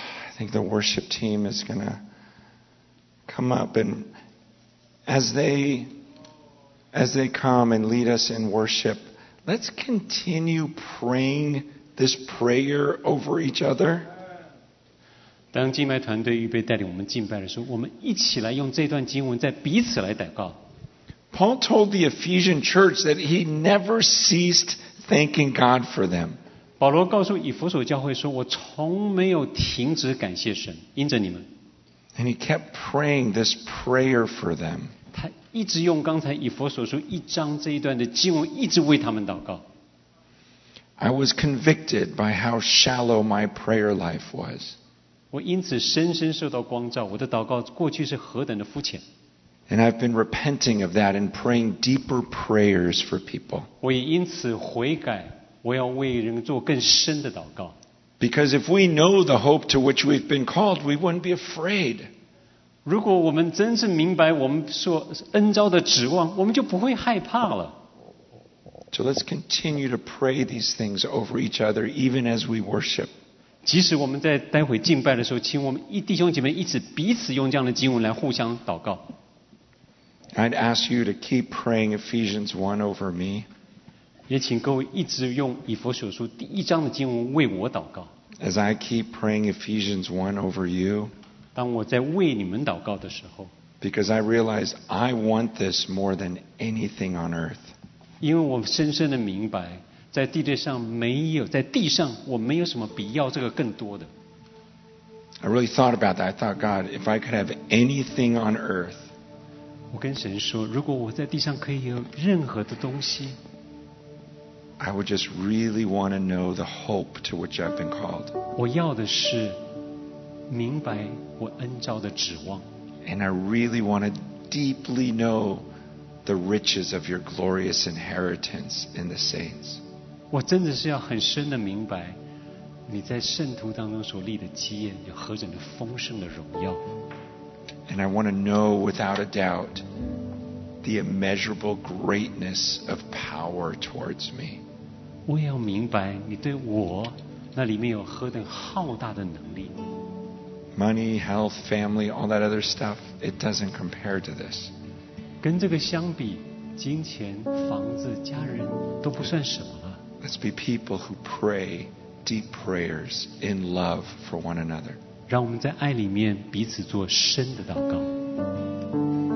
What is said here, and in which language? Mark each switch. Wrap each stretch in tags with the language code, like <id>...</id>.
<en>I think the worship team is going to come up and as they come and lead us in worship, let's continue praying this prayer over each other.</en> <zh>当敬拜团队预备带领我们敬拜的时候，我们一起来用这段经文在彼此来祷告。</zh> <en>Paul told the Ephesian church that he never ceased thanking God for them.</en> <zh>保罗告诉以弗所教会说，我从没有停止感谢神，因着你们。</zh> <en>And he kept praying this prayer for them.</en> <zh>他一直用刚才以弗所书一章这一段的经文，一直为他们祷告。</zh> <en>I was convicted by how shallow my prayer life was.</en> <zh>我因此深深受到光照，我的祷告过去是何等的肤浅。</zh> <en>And I've been repenting of that and praying deeper prayers for people.</en> <zh>我也因此悔改，我要为人做更深的祷告。</zh> <en>Because if we know the hope to which we've been called, we wouldn't be afraid.</en> <zh>如果我们真正明白我们所恩召的指望，我们就不会害怕了。</zh> <en>So let's continue to pray these things over each other, even as we worship.</en> <zh>即使我们在待会敬拜的时候，请我们一弟兄姐妹一直彼此用这样的经文来互相祷告。</zh> <en>I'd ask you to keep praying Ephesians 1 over me.</en> <zh>也请各位一直用以弗所书第一章的经文为我祷告。</zh> <en>As I keep praying Ephesians 1 over you.</en> <zh>当我在为你们祷告的时候</zh> <en>Because I realize I want this more than anything on earth.</en> <zh>因为我深深的明白，在地地上没有，在地上我没有什么比要这个更多的。</zh> <en>I really thought about that. I thought, God, if I could have anything on earth,</en> <zh>我跟神说，如果我在地上可以有任何的东西</zh> <en>，I would just really want to know the hope to which I've been called.</en> <zh>我要的是。明白我恩召的指望</zh> <en>And I really want to deeply know the riches of your glorious inheritance in the saints.</en> <zh>我真的是要很深的明白你在圣徒当中所立的基业有何等的丰盛的荣耀</zh> <en>And I want to know without a doubt the immeasurable greatness of power towards me.</en> <zh>我也要明白你对我那里面有何等浩大的能力</zh> <en>Money, health, family, all that other stuff, it doesn't compare to this.</en> <zh>跟这个相比，金钱、房子、家人都不算什么了。</zh> <en>Let's be people who pray deep prayers in love for one another.</en> <zh>让我们在爱里面彼此做深的祷告。</zh>